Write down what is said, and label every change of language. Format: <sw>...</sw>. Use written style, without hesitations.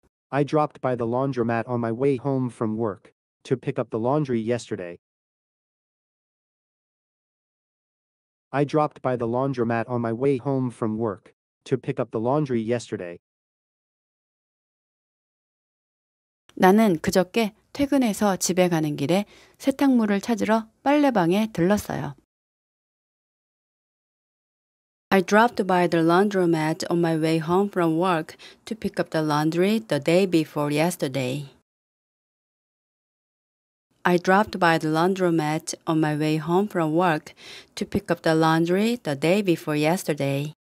<en>I dropped by the laundromat on my way home from work to pick up the laundry yesterday. I dropped by the laundromat on my way home from work to pick up the laundry yesterday.</en> <ko>나는 그저께 퇴근해서 집에 가는 길에 세탁물을 찾으러 빨래방에 들렀어요.</ko> <en>I dropped by the laundromat on my way home from work to pick up the laundry the day before yesterday. I dropped by the laundromat on my way home from work to pick up the laundry the day before yesterday.</en>